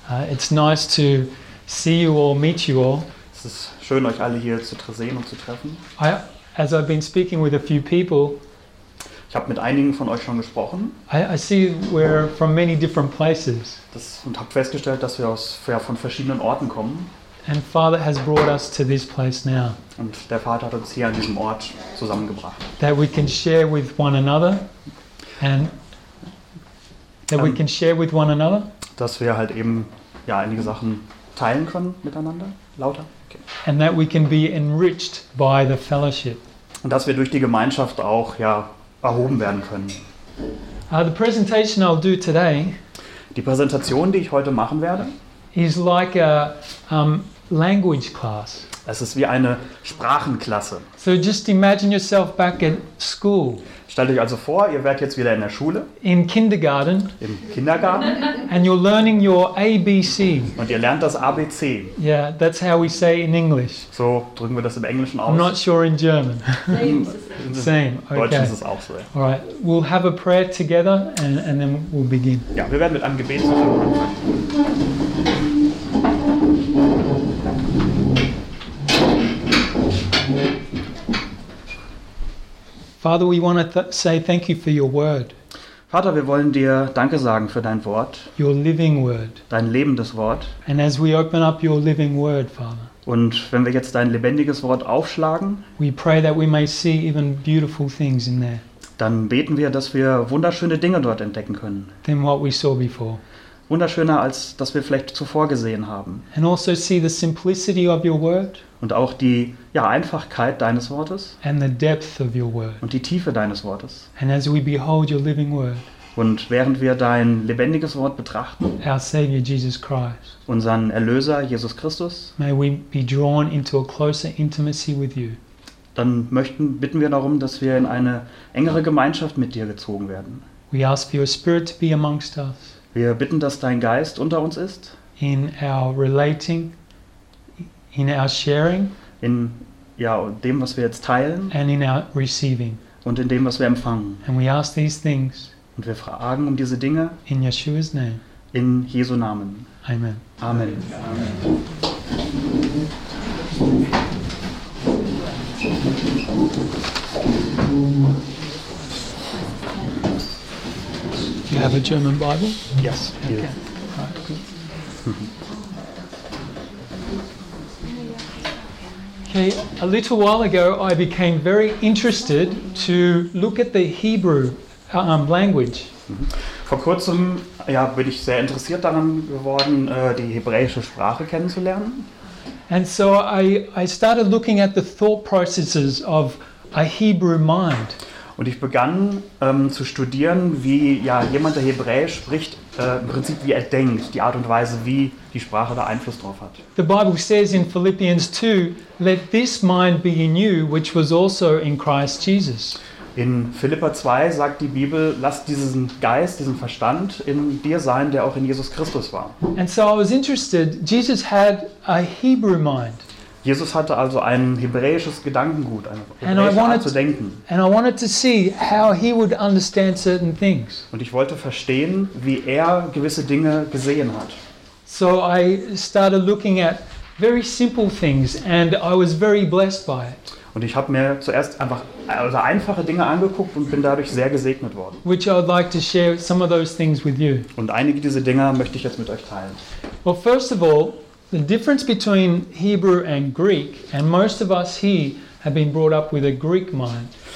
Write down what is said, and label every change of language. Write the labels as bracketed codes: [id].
[en] It's nice to see you all, meet you all. [de] Es ist schön, euch alle hier zu sehen und zu treffen. [en] As I've been speaking with a few people, [de] Ich habe mit einigen von euch schon gesprochen. [en] I see we're from many different places. [de] Das, und habe festgestellt, dass wir aus, ja, von verschiedenen Orten kommen. [en] And Father has brought us to this place now. [de] Und der Vater hat uns hier an diesem Ort zusammengebracht. [en] That we can share with one another. And that we can share with one another. [de] Dass wir halt eben, ja, einige Sachen teilen können miteinander. Lauter. [en] Okay. And that we can be enriched by the fellowship. [de] Und dass wir durch die Gemeinschaft auch, ja, erhoben werden können. [en] The presentation I'll do today, [de] die Präsentation, die ich heute machen werde, [en] is like a language class. [de] Es ist wie eine Sprachenklasse. [en] So just imagine yourself back at school. [de] Stellt euch also vor, ihr werdet jetzt wieder in der Schule. [en] In Kindergarten. [de] Im Kindergarten. [en] And you're learning your ABC. [de] Und ihr lernt das ABC. [en] Yeah, that's how we say in English. [de] So drücken wir das im Englischen aus. [en] I'm not sure in German. Same. Same. Okay. [de] Deutsch ist es auch so. [en] All right. We'll have a prayer together and then we'll begin. [de] Ja, wir werden mit einem Gebet anfangen. [en] Father, we want to say thank you for your word. [de] Vater, wir wollen dir Danke sagen für dein Wort. [en] Your living word. [de] Dein lebendes Wort. [en] And as we open up your living word, Father. [de] Und wenn wir jetzt dein lebendiges Wort aufschlagen, [en] we pray that we may see even beautiful things in there. [de] Dann beten wir, dass wir wunderschöne Dinge dort entdecken können. [en] Than what we saw before. [de] Wunderschöner als das wir vielleicht zuvor gesehen haben. [en] And also see the simplicity of your word. [de] Und auch die, ja, Einfachkeit deines Wortes. [en] And the depth of your word. [de] Und die Tiefe deines Wortes. [en] And as we behold your living word. [de] Und während wir dein lebendiges Wort betrachten. [en] Our Savior Jesus Christ. [de] Unseren Erlöser Jesus Christus. [en] May we be drawn into a closer intimacy with you. [de] Dann möchten, bitten wir darum, dass wir in eine engere Gemeinschaft mit dir gezogen werden. [en] We ask for your spirit to be amongst us. [de] Wir bitten, dass dein Geist unter uns ist. [en] In our relating, in our sharing, [de] in, ja, dem, was wir jetzt teilen, [en] and in our receiving, [de] und in dem, was wir empfangen. [en] And we ask these things, [de] und wir fragen um diese Dinge, [en] in Yeshua's name, [de] in Jesu Namen. Amen. Amen. Amen. [en] You have a German Bible? Yes. Okay. Okay, a little while ago I became very interested to look at the Hebrew language. [de] Vor kurzem, ja, bin ich sehr interessiert daran geworden, die hebräische Sprache kennenzulernen. [en] And so I started looking at the thought processes of a Hebrew mind. [de] Und ich begann zu studieren, wie, ja, jemand, der Hebräisch spricht, im Prinzip wie er denkt, die Art und Weise, wie die Sprache da Einfluss drauf hat. [en] The Bible says in Philippians 2, let this mind be in you, which was also in Christ Jesus. [de] In Philipper 2 sagt die Bibel, lass diesen Geist, diesen Verstand in dir sein, der auch in Jesus Christus war. [en] And so I was interested, Jesus had a Hebrew mind. [de] Jesus hatte also ein hebräisches Gedankengut, eine hebräische Art zu denken. [en] And I wanted to see how he would understand certain things. [de] Und ich wollte verstehen, wie er gewisse Dinge gesehen hat. [en] So I started looking at very simple things and I was very blessed by it. [de] Und ich habe mir zuerst einfach einfache Dinge angeguckt und bin dadurch sehr gesegnet worden. [en] Which I would like to share some of those things with you. [de] Und einige dieser Dinge möchte ich jetzt mit euch teilen. [en] Well, first of all, the difference between Hebrew and Greek, and most of us here have been brought up with a Greek mind.